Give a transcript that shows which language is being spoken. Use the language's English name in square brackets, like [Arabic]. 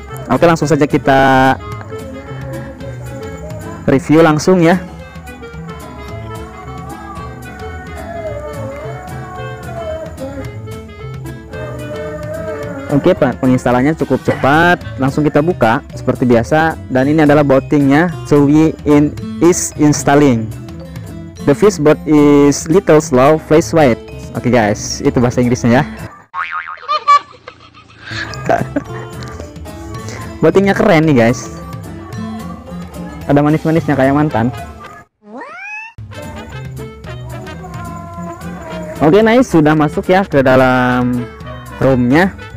[Indonesian] Oke, langsung saja kita review langsung ya. Oke, penginstalannya cukup cepat. Langsung kita buka seperti biasa, dan ini adalah bootingnya. [English] Twoyi in is installing. The first boot is little slow, flash white. [Indonesian] Oke guys, itu bahasa Inggrisnya ya. Bootingnya keren nih guys. Ada manis-manisnya kayak mantan. Oke, nice, sudah masuk ya ke dalam roomnya.